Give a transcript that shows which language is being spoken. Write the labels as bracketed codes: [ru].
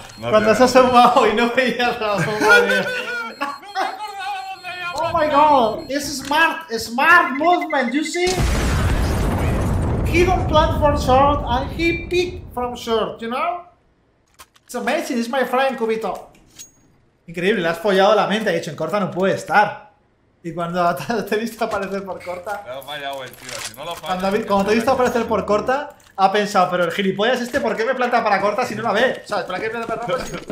[es] Cuando se ha asomado y no veía la bomba, tío. [en] Oh my god, this is smart, smart movement, you see? He don't plan for short and he peek from short, you know? It's amazing, it's my friend, Cubito. [es] Increíble, le has follado la mente, ha dicho, en corta no puede estar. Y cuando te he visto aparecer por corta... Me ha fallado el tío, si no lo falla... Cuando te he visto aparecer por corta, ha pensado, pero el gilipollas este, ¿por qué me planta para corta si no la ve? O sea, ¿para qué me planta para corta?